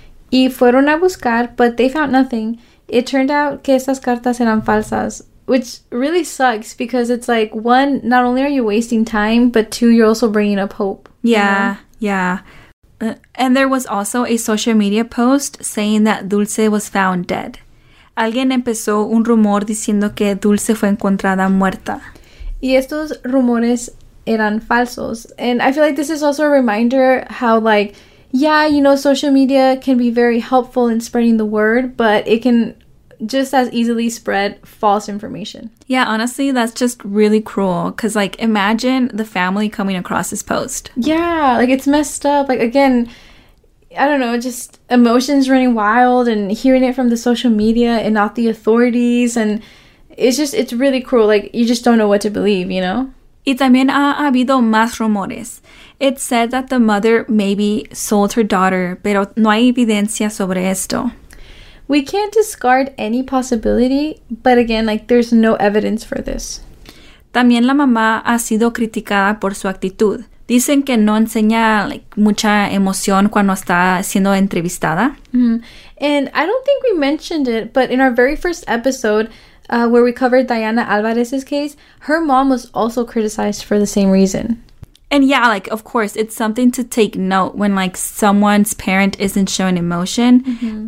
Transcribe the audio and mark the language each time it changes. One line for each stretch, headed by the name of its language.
Spanish: Y fueron a buscar,
English: but they found nothing. It turned out
Spanish: que esas cartas eran falsas,
English: which really sucks because it's like, one, not only are you wasting time, but two, you're also bringing up hope. Yeah, you know? Yeah. And there was also a social media post saying that Dulce was found dead.
Spanish: Alguien empezó un rumor diciendo que Dulce fue encontrada muerta. Y estos rumores eran falsos.
English: And I feel like this is also a reminder how, like, yeah, you know, social media can be very helpful in spreading the word, but it can just as easily spread false information. Yeah, honestly, that's just really cruel. Because, like, imagine the family coming across this post. Yeah, like, it's messed up. Like, again, I don't know, just emotions running wild and hearing it from the social media and not the authorities. And it's just, it's really cruel. Like, you just don't know what to believe, you know?
Spanish: Y también ha habido más rumores.
English: It said that the mother maybe sold her daughter,
Spanish: pero no hay evidencia sobre esto.
English: We can't discard any possibility, but again, like, there's no evidence for this.
Spanish: También la mamá ha sido criticada por su actitud. Dicen que no enseña, like, mucha emoción cuando está siendo entrevistada. Mm-hmm.
English: And I don't think we mentioned it, but in our very first episode, where we covered Diana Alvarez's case, her mom was also criticized for the same reason. And yeah, like, of course, it's something to take note when, like, someone's parent isn't showing emotion. Mm-hmm.